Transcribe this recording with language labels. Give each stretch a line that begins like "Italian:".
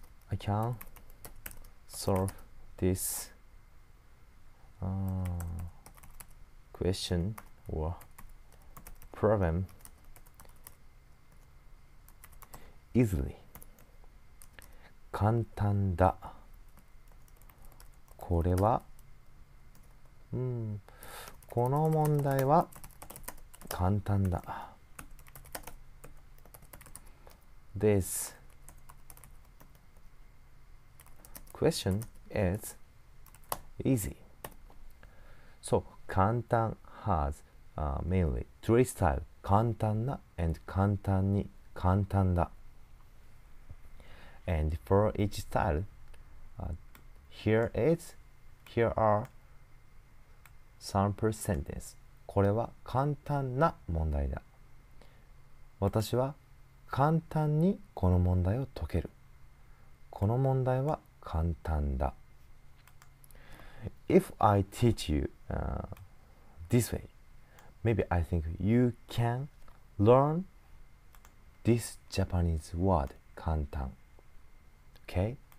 English: I can solve this question or problem easily.
Japanese: 簡単だ。これは、この問題は簡単だ。
English: This question is easy. So, 簡単 has mainly three styles.
Japanese: 簡単な and 簡単に、簡単だ。
English: And for each style, here are sample sentences.
Japanese: これは簡単な問題だ。私は簡単にこの問題を解ける。この問題は簡単だ。
English: If I teach you this way, maybe I think you can learn this Japanese word, 簡単。 Okay.